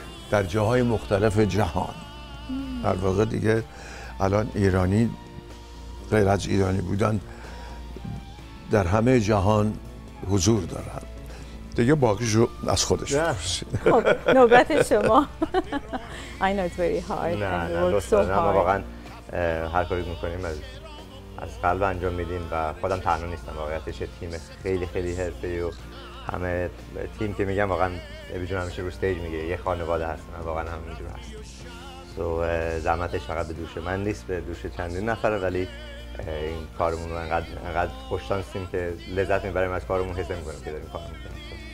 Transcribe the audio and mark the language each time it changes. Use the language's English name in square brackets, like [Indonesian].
[Persian] در جاهای مختلف جهان، در واقع دیگه الان ایرانی غیر از ایرانی بودن در همه جهان حضور دارن. دیگه باقیش رو از خودش بپرسید. نوبت شما. [English] I know it's very hard and work so hard. [Persian] نه، واقعا هر کاری میکنیم از قلب انجام میدیم و خودم تنها نیستم. واقعیتش تیم خیلی خیلی حرفه‌ای و همه تیم که میگم واقعا ابی جون همیشه رو استیج میگه، یه خانواده هستن واقعا همینجور هست. سو زحمتش فقط به دوش من نیست، به دوش چندین نفره، ولی این کارمون رو انقدر خوششانسیم که لذت میبریم از کارمون، حس میکنیم که داریم کار میکنیم.